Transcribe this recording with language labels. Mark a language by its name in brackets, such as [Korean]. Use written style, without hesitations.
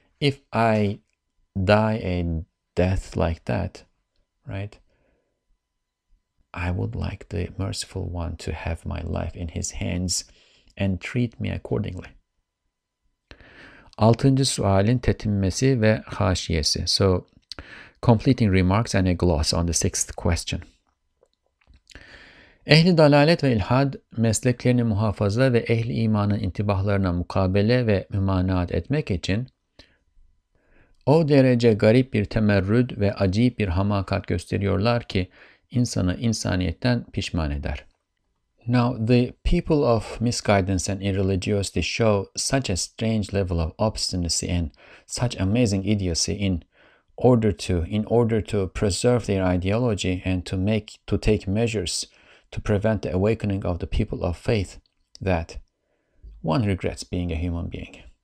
[English] if I die a death like that, right, I would like the merciful one to have my life in his hands and treat me accordingly. [Turkish] Altıncı sualin tetinmesi ve haşiyesi. [English] So, completing remarks and a gloss on the sixth question. [Turkish] Ehli dalalet ve ilhad mesleklerini muhafaza ve ehli imanın intibahlarına mukabele ve mümanaat etmek için o derece garip bir temerrüd ve acayip bir hamakat gösteriyorlar ki insanı insaniyetten pişman eder. [English] Now, the people of misguidance and irreligiosity show such a strange level of obstinacy and such amazing idiocy in order to preserve their ideology and to take measures to prevent the awakening of the people of faith that one regrets being a human being.